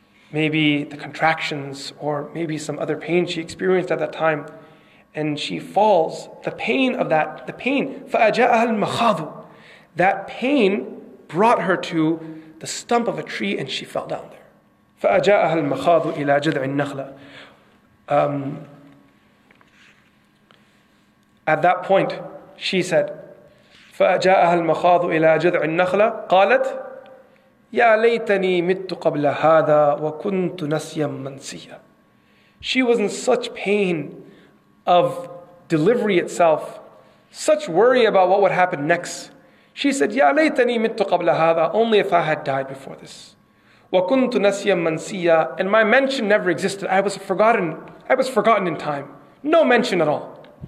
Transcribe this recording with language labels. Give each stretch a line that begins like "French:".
English: Maybe the contractions, or maybe some other pain she experienced at that time. And she falls, the pain of that, the pain,
Arabic: فَأَجَاءَ الْمَخَاضُ,
English: that pain brought her to the stump of a tree and she fell down there.
Arabic: فأجاءها المخاض إلى جذع النخلة.
English: At that point, she said,
Arabic: فأجاءها المخاض إلى جذع النخلة. قالت, يا ليتني مت قبل هذا وكنت نسيا منسيا.
English: She was in such pain of delivery itself, such worry about what would happen next.
Arabic: She said, يَا لَيْتَنِي مِتُّ قَبْلَ هَذَا,
English: only if I had died before this.
Arabic: وَكُنْتُ نَسْيًا مَنْسِيًا,
English: and my mention never existed. I was forgotten in time. No mention at all.